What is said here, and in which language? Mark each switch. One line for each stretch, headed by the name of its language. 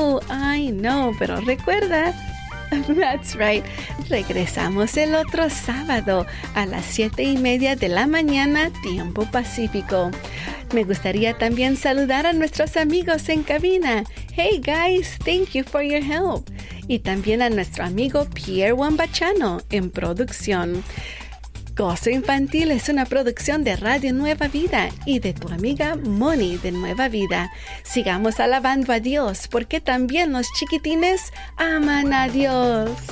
English: I know,
Spanish: pero recuerda.
English: That's right.
Spanish: Regresamos el otro sábado a las 7:30 de la mañana, tiempo pacífico. Me gustaría también saludar a nuestros amigos en cabina.
English: Hey guys, thank you for your help.
Spanish: Y también a nuestro amigo Pierre Wambachano en producción. Gozo Infantil es una producción de Radio Nueva Vida y de tu amiga Moni de Nueva Vida. Sigamos alabando a Dios porque también los chiquitines aman a Dios.